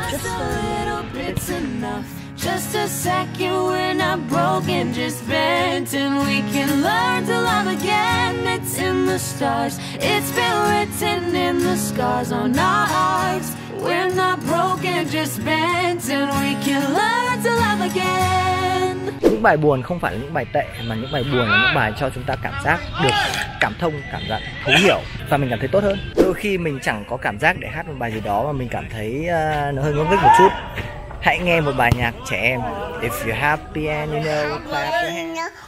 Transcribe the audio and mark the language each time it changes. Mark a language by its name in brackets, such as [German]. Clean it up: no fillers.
[English] Just a little bit's enough. Just a second when I'm broken, just venting. We the stars. It's been written in the scars on our hearts. We're not broken, just bent, and we can learn to love again. [Vietnamese] Những bài buồn không phải là những bài tệ, mà những bài buồn là những bài cho chúng ta cảm giác được cảm thông, cảm giận, thấu hiểu, và mình cảm thấy tốt hơn. Đôi khi mình chẳng có cảm giác để hát một bài gì đó mà mình cảm thấy nó hơi ngốc nghếch một chút. Hãy nghe một bài nhạc trẻ em. [English] If you're happy and you know, clap your hands.